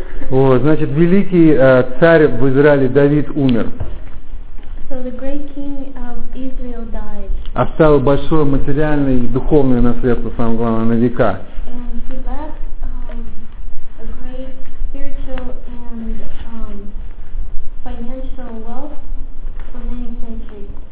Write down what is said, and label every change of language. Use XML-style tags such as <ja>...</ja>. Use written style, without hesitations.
<ru>Значит, великий царь в Израиле Давид умер.</ru> <en>So the great king of Israel died.</en> <ru>Оставил большое материальное и духовное наследство, самое главное, на века.</ru> <en>And he left a great spiritual and financial wealth for many centuries.</en>